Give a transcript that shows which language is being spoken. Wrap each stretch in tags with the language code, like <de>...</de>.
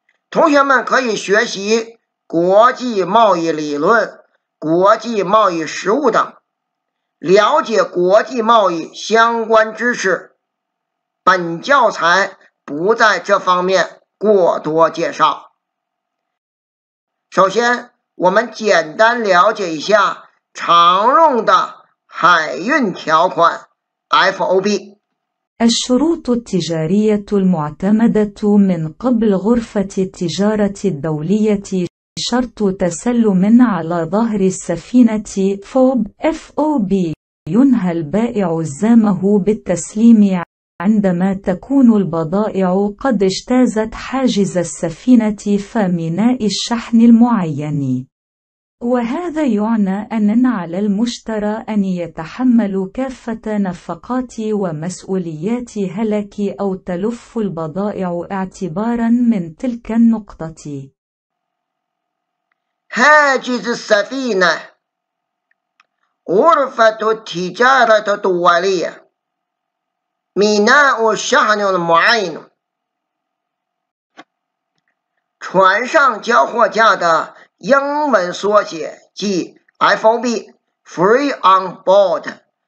<zh>同学们可以学习国际贸易理论、国际贸易实务等，了解国际贸易相关知识。本教材不在这方面过多介绍。首先，我们简单了解一下常用的海运条款 FOB。</zh> <ar>الشروط التجارية المعتمدة من قبل غرفة التجارة الدولية شرط تسلم على ظهر السفينة فوب FOB ينهى البائع الزامه بالتسليم عندما تكون البضائع قد اجتازت حاجز السفينة فميناء الشحن المعين وهذا يعنى أن على المشترى أن يتحمل كافة نفقات ومسؤوليات هلك أو تلف البضائع اعتبارا من تلك النقطة. حاجز السفينة غرفة التجارة الدولية ميناء الشحن المعين</ar> <zh>船上交货价的英文缩写即 FOB Free on Board</zh>